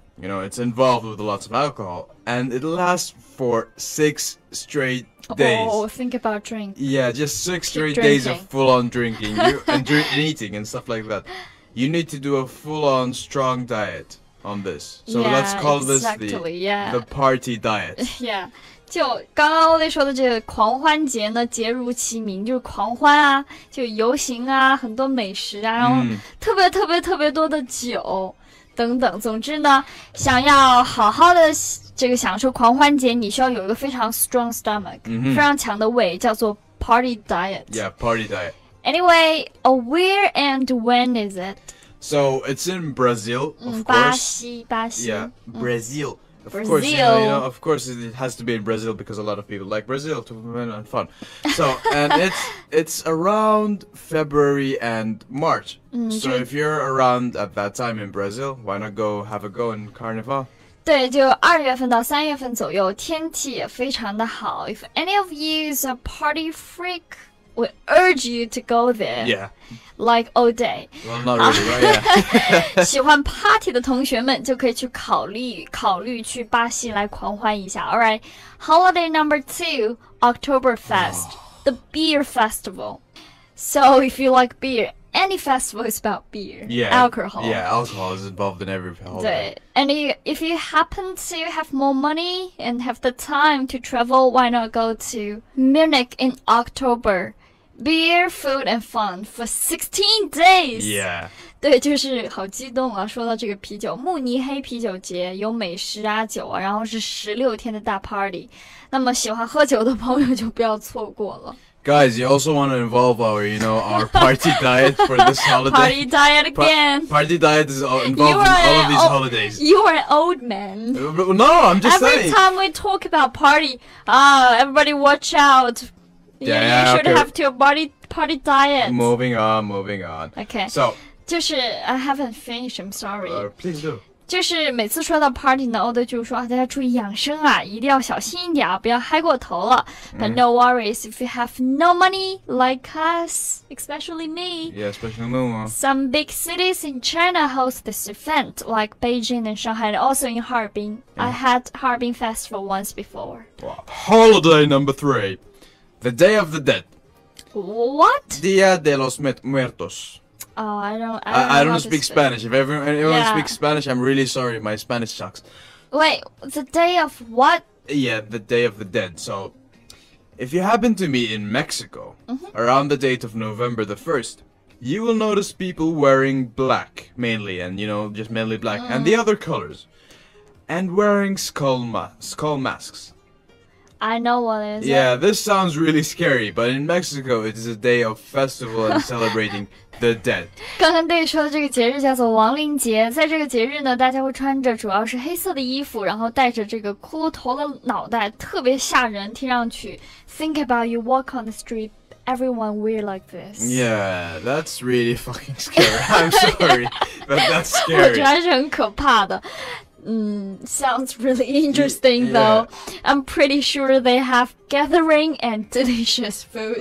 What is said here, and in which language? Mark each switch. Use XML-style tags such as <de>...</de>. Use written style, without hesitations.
<en>You know, it's involved with lots of alcohol, and it lasts for 6 straight days. Oh, think about drink. Yeah, just 6 straight days of full-on drinking and eating and stuff like that. You need to do a full-on strong diet. On this, so yeah, let's call this exactly, the party diet.</en> <zh>Yeah, 就刚刚Ollie说的这个狂欢节呢，节如其名，就是狂欢啊，就游行啊，很多美食啊，然后特别特别特别多的酒等等。总之呢，想要好好的这个享受狂欢节，你需要有一个非常</zh> <en>strong stomach,</en> <zh>非常强的胃，叫做</zh> <en>party diet. Yeah, party diet. Anyway, where and when is it? So, it's in Brazil, of course. Brazil. Yeah, Brazil. Brazil. Of course, you know, of course, it has to be in Brazil because a lot of people like Brazil to have fun. So, and it's around February and March. So, if you're around at that time in Brazil, why not go have a go in Carnival?</en> <zh>对，就二月份到三月份左右，天气也非常的好。</zh> <en>If any of you is a party freak, we urge you to go there. Yeah. Like all day. Well, not really, right? Yeah.</en> <zh>喜欢 party 的同学们就可以去考虑去巴西来狂欢一下。</zh> <en>All right. Holiday number two, Oktoberfest, the beer festival. So if you like beer, any festival is about beer. Yeah. Alcohol. Yeah, alcohol is involved in every holiday. 对 And if you happen to have more money and have the time to travel, why not go to Munich in October? Beer, food, and fun for 16 days. Yeah.</en> <zh>对，就是好激动啊！说到这个啤酒，慕尼黑啤酒节有美食啊、酒啊，然后是16天的大 party。那么喜欢喝酒的朋友就不要错过了。</zh> <en>Guys, you also want to involve our party diet for this holiday. Party diet again. Party diet is involved in all of these holidays. You are an old man. No, I'm just saying. Every time we talk about party, everybody watch out. Yeah, you should have to a party diet. Moving on. Okay. So, 就是 I haven't finished, I'm sorry. Please do.</en> <zh>就是每次说到 party 呢，我都就说、啊、大家注意养生啊，一定要小心一点啊，不要嗨过头了。</zh> <en>But no worries, if you have no money like us, especially me. Yeah, especially me. Some big cities in China host this event, like Beijing and Shanghai, and also in Harbin.、Yeah. I had Harbin Festival once before. Wow. Holiday number three, the Day of the Dead. What?</en> <es>Día de los Muertos.</es> <en>Oh, I don't speak Spanish. If anyone speaks Spanish, I'm really sorry. My Spanish sucks. Wait, the day of what? Yeah, the day of the dead. So, if you happen to meet in Mexico, mm-hmm. around the date of November the 1st, you will notice people wearing black, mainly, and, you know, just mainly black, and the other colors, and wearing skull masks. I know what it is. Yeah, this sounds really scary, but in Mexico, it is a day of festival and celebrating... The dead.</en> <zh>刚刚对说的这个节日叫做亡灵节，在这个节日呢，大家会穿着主要是黑色的衣服，然后戴着这个骷髅头的脑袋，特别吓人，听上去。</zh> <en>Think about you walk on the street, everyone weird like this. Yeah, that's really fucking scary. I'm sorry, but that's scary.</en> <zh>我觉得还是很可怕的。</zh> <en>Sounds really interesting, though. I'm pretty sure they have gathering and delicious food.</en>